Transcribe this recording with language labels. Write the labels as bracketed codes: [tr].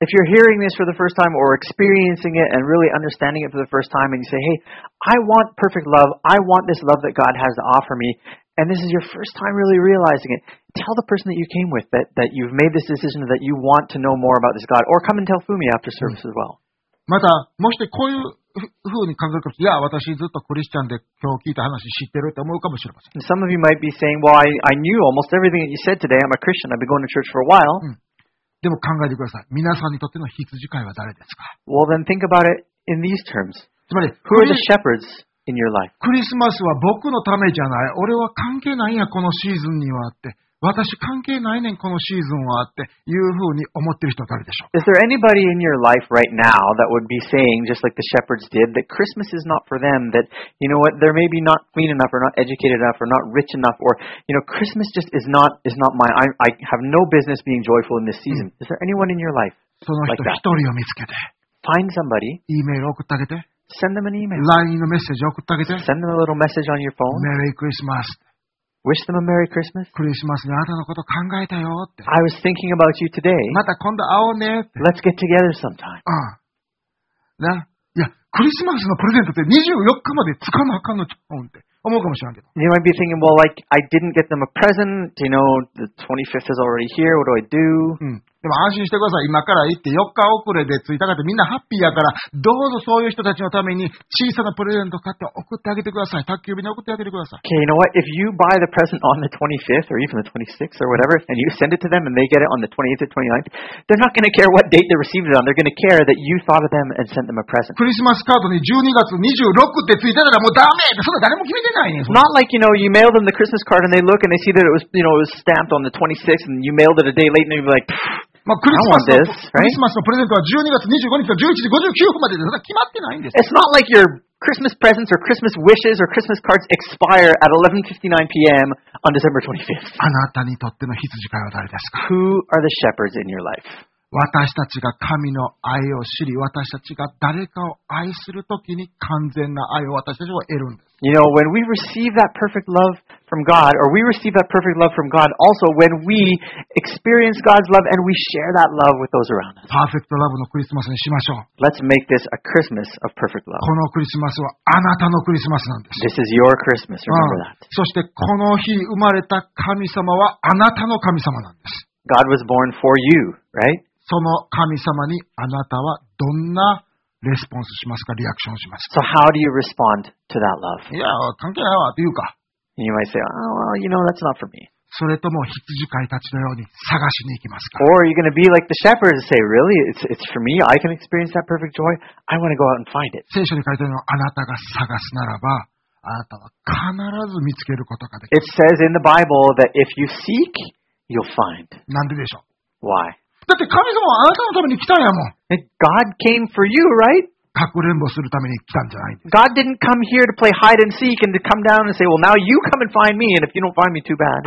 [en] If you're hearing this for the first time or experiencing it and really understanding it for the first time and you say, hey, I want perfect love, I want this love that God has to offer me, and this is your first time really realizing it, tell the person that you came with that you've made this decision that you want to know more about this God, or come and tell Fumi after service as well. [ja] また、もしこういうふうに感じるかもしれない。いや、私ずっとクリスチャンで今日聞いた話知ってるって思うかもしれません。 [en] Some of you might be saying, well, I knew almost everything that you said today. I'm a Christian. I've been going to church for a while.、 [ja] うん、でも考えてください。皆さんにとっての羊飼いは誰ですか? [en] Well, then think about it in these terms. [ja] つまり、 [en] Who are the shepherds in your life? [ja] クリスマスは僕のためじゃない。俺は関係ないや、このシーズンにはって。私関係ないねんこのシーズンはっていうふうに思ってる人は誰でしょう。 [en] Is there anybody in your life right now that would be saying, just like the shepherds did, that Christmas is not for them, that, you know what, they're maybe not clean enough or not educated enough or not rich enough or, you know, Christmas just is not mine. I have no business being joyful in this season.、うん、is there anyone in your life [ja] その人、 [en] like、 [ja] 一人を見つけて。 [en] Find somebody. [ja] E メール送ってあげて。 [en] Send them an email. [ja] LINE のメッセージ送ってあげて。 [en] Send them a little message on your phone. Merry Christmas. Wish them a Merry Christmas. [ja] クリスマスにあなたのこと考えたよって。 [en] I was thinking about you today. [ja] また今度会おうねって。 [en] Let's get together sometime. [ja] あ、ね、いや、クリスマスのプレゼントって24日までつかなあかんのちゃうんって思うかもしれないけど。 [en] You might be thinking, well, like, I didn't get them a present. You know, the 25th is already here. What do I do? うん。 [ja] でも安心してください。今から行って4日遅れで着いたかってみんなハッピーやから、どうぞそういう人たちのために小さなプレゼント買って送ってあげてください。宅急便で送ってあげてください。 [en] Okay, you know what? If you buy the present on the 25th or even the 26th or whatever, and you send it to them and they get it on the 28th or 29th, they're not going to care what date they received it on. They're going to care that you thought of them and sent them a present. [ja] クリスマスカードに12月26って着いたらもうダメって、そんな誰も決めてないね。 [en] Not like, you know, you mail them the Christmas card and they look and they see that it was, you know, it was stamped on the 26th and you mailed it a day late and they'll be like, [ja] まあ、クリスマスのプレゼントは12月25日と11時59分までで、ただ決まってないんです。 [en] It's not like your Christmas presents or Christmas wishes or Christmas cards expire at 11:59 p.m. on December 25th. [ja] あなたにとっての羊飼いは誰ですか? [en] Who are the shepherds in your life? [ja] 私たちが神の愛を知り、私たちが誰かを愛するときに完全な愛を私たちは得るんです。 [en] You know, when we receive that perfect love,From God, or we receive that perfect love from God also when we experience God's love and we share that love with those around us. Perfect love [ja] のクリスマスにしましょう。 [en] Let's make this a Christmas of perfect love. [ja] このクリスマスはあなたのクリスマスなんです。 [en] This is your Christmas, remember that. [ja] そしてこの日生まれた神様はあなたの神様なんです。 [en] God was born for you, right? [ja] その神様にあなたはどんなレスポンスしますか、リアクションしますか。 [en] So how do you respond to that love? [ja] いや、関係ないわって言うか。 [en] You might say, oh, well, you know, that's not for me. [ja] それとも羊飼いたちのように探しに行きますか。 [en] Or are you going to be like the shepherd and say, really, it's for me? I can experience that perfect joy? I want to go out and find it. [ja] 聖書に書いてあるのは、あなたが探すならば、あなたは必ず見つけることができる。 [en] It says in the Bible that if you seek, you'll find. [ja] なんででしょう。 [en] Why? [ja] だって神様はあなたのために来たんやもん。 [en] God came for you, right? [ja] かくれんぼするために来たんじゃないんです。 [en] God didn't come here to play hide and seek and to come down and say, well, now you come and find me, and if you don't find me, too bad.